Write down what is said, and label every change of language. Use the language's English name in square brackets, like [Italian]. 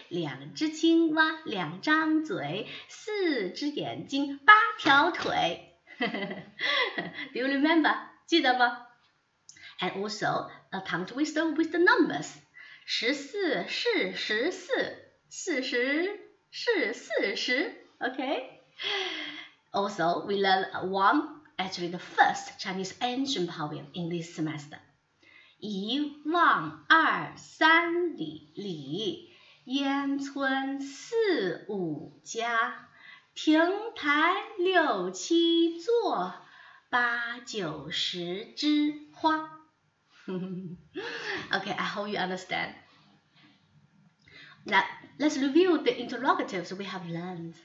[Chinese] 两只青蛙，两张嘴，四只眼睛，八条腿。 [English] Do you remember? [Chinese] 记得吗？ [English] And also, a tongue twister with the numbers. [Chinese] 十四是十四，四十是四十。 [English] Okay? Also, we learn one. Actually, the first Chinese ancient poem in this semester. [Chinese] 一望二三里，里烟村四五家，亭台六七座，八九十枝花。 [English] Okay, I hope you understand. Now, let's review the interrogatives we have learned.